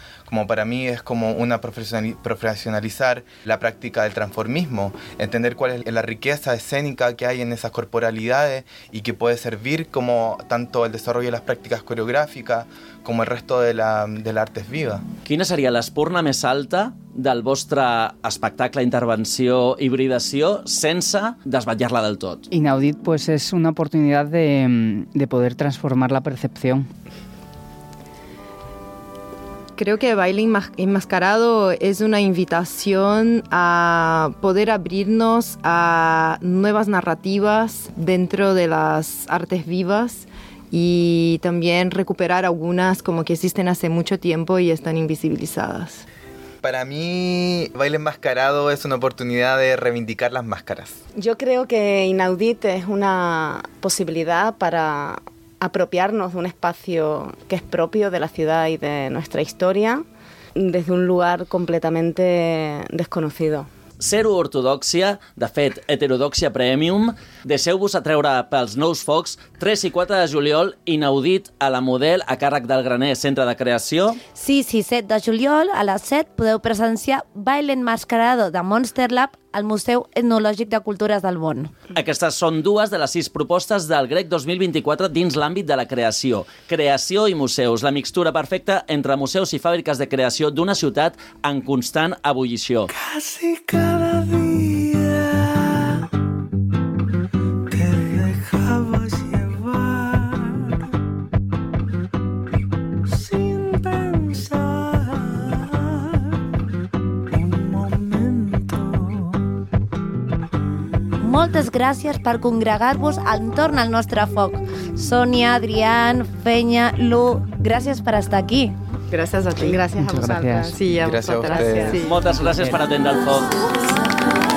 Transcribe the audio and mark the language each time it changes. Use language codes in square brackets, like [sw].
[es] Como para mí es como una profesionalizar la práctica del transformismo, entender cuál es la riqueza escénica que hay en esas corporalidades y que puede servir como tanto el desarrollo de las prácticas coreográficas como el resto de la arte es viva. [ca] Quina seria l'espurna més alta del vostre espectacle, intervenció, hibridació, sense desvetllar-la del tot? [es] Inaudit, pues es una oportunidad de poder transformar la percepción. Creo que Baile Enmascarado es una invitación a poder abrirnos a nuevas narrativas dentro de las artes vivas y también recuperar algunas como que existen hace mucho tiempo y están invisibilizadas. Para mí, Baile Enmascarado es una oportunidad de reivindicar las máscaras. Yo creo que Inaudit es una posibilidad para apropiarnos de un espacio que es propio de la ciudad y de nuestra historia desde un lugar completamente desconocido. [ca] Ser-ho ortodoxia, de fet, heterodoxia premium, deixeu-vos atreure pels nous focs, 3 i 4 de juliol, inaudit a la Model, a càrrec del Graner Centre de Creació. Sí, sí, 7 de juliol, a les 7, podeu presenciar Baile Enmascarado de Monster Lab al Museu Etnològic de Cultures del Món. Aquestes són dues de les 6 propostes del GREC 2024 dins l'àmbit de la creació. Creació i museus, la mixtura perfecta entre museus i fàbriques de creació d'una ciutat en constant ebullició. [es] Quasi cada dia te dejabas llevar sin pensar un momento. [ca] Moltes gràcies per congregar-vos entorn al nostre foc. Sònia, Adrián, Fenya, Lu, gràcies per estar aquí. Gràcies a ti. Gràcies a vosaltres. Gràcies. Sí, a vosaltres. Gràcies a vostès. Moltes gràcies per atendre el foc.